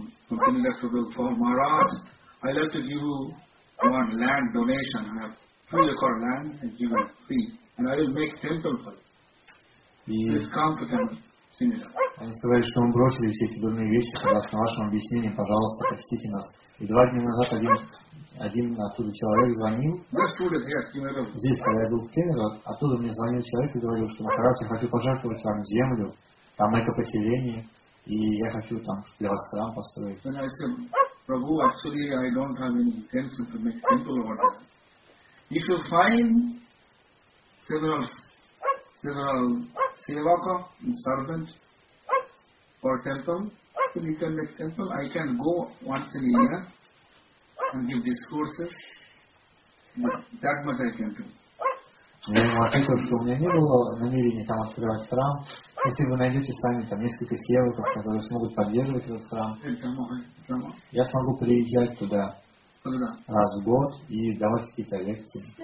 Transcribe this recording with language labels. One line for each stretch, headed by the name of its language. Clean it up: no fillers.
English: I like to give you one land donation. I have 2 acre land and give you free. And I will make temple for you. Please come to them.
Russian: Они сказали, что мы бросили все эти дурные вещи, согласно вашему объяснению, пожалуйста, простите нас. И 2 дня назад один оттуда человек звонил. Здесь, когда я был в Кемерово, оттуда мне звонил человек и говорил, что Махарадж, я хочу пожертвовать вам землю, там это поселение, и я хочу там для вас храм построить.
English: Prabhu, actually, I don't have any intention to make temple over there. If you find several sevaka and servant for temple, then you can make temple. I can go once in a year and give discourses. That much I can do.
Russian: Я ему ответил, что у меня не было намерения там открывать храм. Если вы найдете сами там несколько сиелоков, которые смогут поддерживать этот храм, я смогу приезжать туда раз в год и давать какие-то лекции.